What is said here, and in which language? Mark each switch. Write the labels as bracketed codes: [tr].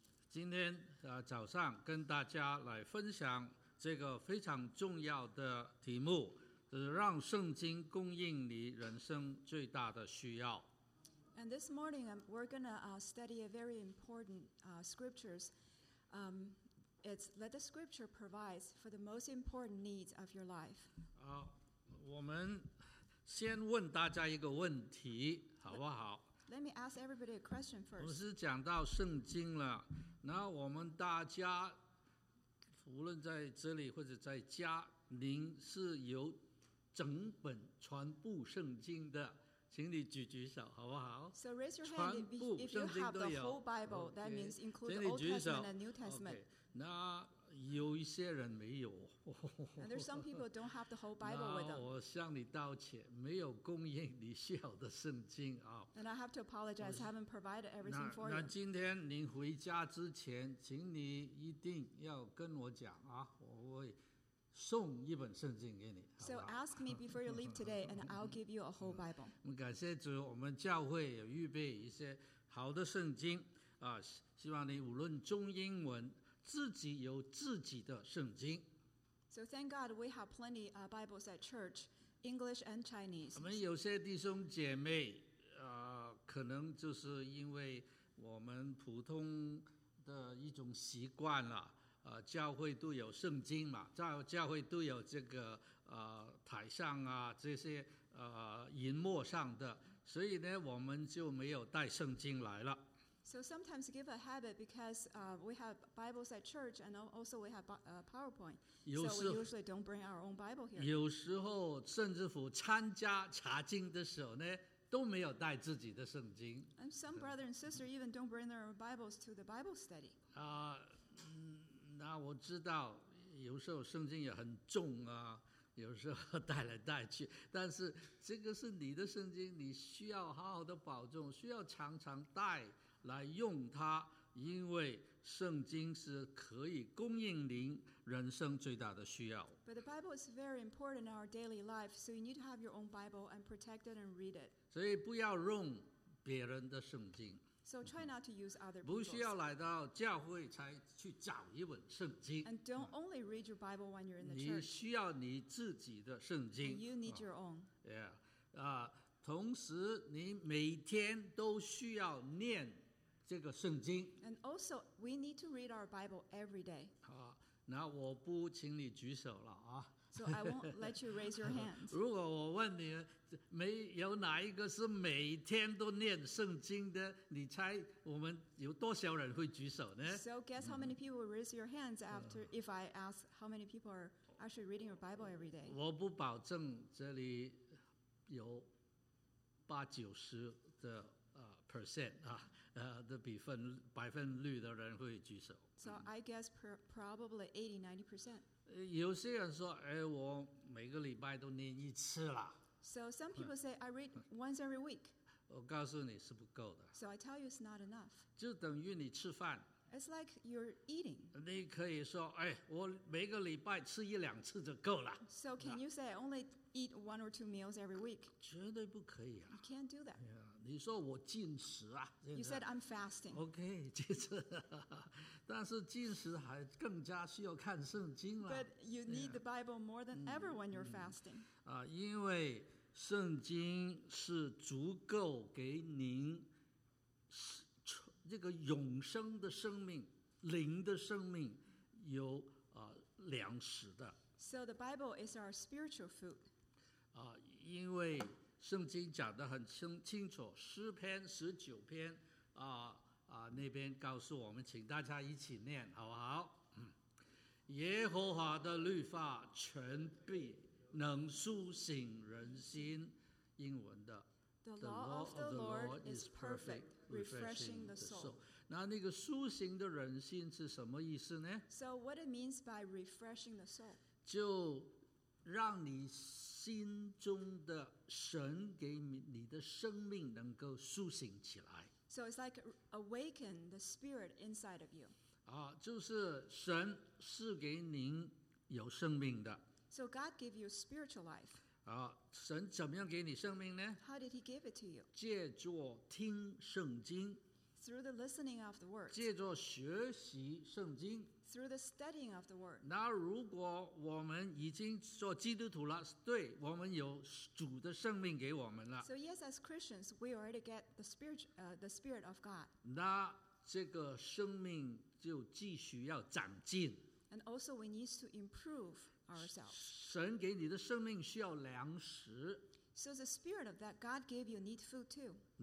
[zh] 今天早上跟大家来分享这个非常重要的题目，就是让圣经供应你人生最大的需要。 [en] And this morning we're going to study a very important scriptures. It's let the scripture provide for the most important needs of your life. [zh] 我们先问大家一个问题，好不好？ [en] Let me ask everybody a question first. [zh] 我是讲到圣经了，那我们大家无论在这里或者在家，您是有整本全部圣经的，请你举举手，好不好 [en] ？So raise your hand if you have the whole Bible. Okay, that means include Old Testament and New Testament. [zh] Okay, 那有一些人没有。 [en] And there's some people don't have the whole Bible with them. [zh] 那我向你道歉，没有供应你需要的圣经啊。 [en] And I have to apologize. I haven't provided everything for you. [zh] 那今天您回家之前，请你一定要跟我讲啊，我会送一本圣经给你。 [en] So ask me before you leave today, and I'll give you a whole Bible. [zh] 我们感谢主，我们教会有预备一些好的圣经啊，希望你无论中英文，自己有自己的圣经。 [en] So thank God we have plenty of Bibles at church, English and Chinese. [zh] 我们有些弟兄姐妹啊，可能就是因为我们普通的一种习惯了。教会都有圣经嘛，教会都有这个台上啊这些荧幕上的，所以呢我们就没有带圣经来了。 [en] So sometimes give a habit because we have Bibles at church and also we have PowerPoint. So we usually don't bring our own Bible here. [zh] 有时候甚至乎参加查经的时候呢，都没有带自己的圣经。 [en] And some brother and sister even don't bring their own Bibles to the Bible study. [zh] 那我知道有时候圣经也很重啊，有时候带来带去，但是这个是你的圣经，你需要好好的保重，需要常常带来用它，因为圣经是可以供应您人生最大的需要。 [en] But the Bible is very important in our daily life, so you need to have your own Bible and protect it and read it. [zh] 所以不要用别人的圣经。 [en] So try not to use other people's. [zh] 不需要来到教会才去找一本圣经。 [en] And don't only read your Bible when you're in the church. [zh] 你需要你自己的圣经。 [en] And you need your own. Yeah. [zh] 同时你每天都需要念这个圣经。 [en] And also, we need to read our Bible every day. [zh] 那我不请你举手了啊。 [en] So I won't let you raise your hand. [zh] 如果我问你，没有哪一个是每天都念圣经的，你猜我们有多少人会举手呢 [en] ？So guess how many people raise your hands after if I ask how many people are actually reading your Bible every day? [zh] 我不保证这里有八九十的percent 啊的百分率的人会举手。 [en] So I guess probably 80-90%. [zh] 有些人说，哎，我每个礼拜都念一次了。 [en] So some people say I read once every week. [zh] 我告诉你是不够的。 [en] So I tell you it's not enough. [zh] 就等于你吃饭。 [en] It's like you're eating. [zh] 你可以说，哎，我每个礼拜吃一两次就够了。 [en] So can you say I only eat one or two meals every week? [zh] 绝对不可以啊。 [en] You can't do that. [zh] Yeah, 你说我禁食啊。 [en] You said I'm fasting. [zh] Okay, 禁食。但是禁食还更加需要看圣经了。 [en] But you need the Bible more than ever when you're fasting. [zh] 因为圣经是足够给您这个永生的生命，灵的生命，有粮食的。 [en] So the Bible is our spiritual food. [zh] 因为圣经讲得很清楚，诗篇十九篇那边告诉我们，请大家一起念好不好？耶和华的律法全必能苏醒人心，英文的。 [en] The law of the Lord is perfect, refreshing the soul. [zh] 那那个苏醒的人心是什么意思呢 [en] ？So what it means by refreshing the soul? [zh] 就让你心中的神给你的生命能够苏醒起来。 [en] So it's like awaken the spirit inside of you. [zh] 就是神是给您有生命的。 [en] So God gave you spiritual life. [zh] 神怎么样给你生命呢 [en] ？How did He give it to you? [zh] 借助听圣经 [en] through the listening of the word, [zh] 借着学习圣经, [en] through the studying of the word. [zh] 那如果我们已经做基督徒了, 对, 我们有主的生命给我们了, [en] so yes, as Christians, we already get the spirit of God. [zh] 那这个生命就继续要长进, [en] and also we need to improve ourselves. [zh] 神给你的生命需要粮食, [en] so the spirit of that God gave you need food too.